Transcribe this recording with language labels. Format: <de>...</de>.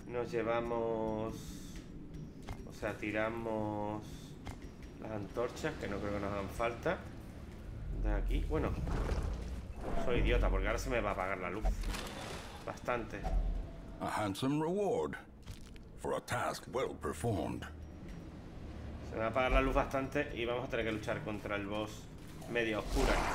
<es>Llevamos, o sea, tiramos las antorchas, que no creo que nos hagan falta de aquí. Bueno, soy idiota porque ahora se me va a apagar la luz bastante.</es> <en>A handsome reward for a task well performed.</en> <es>Se me va a apagar la luz bastante y vamos a tener que luchar contra el boss medio oscuro.</es>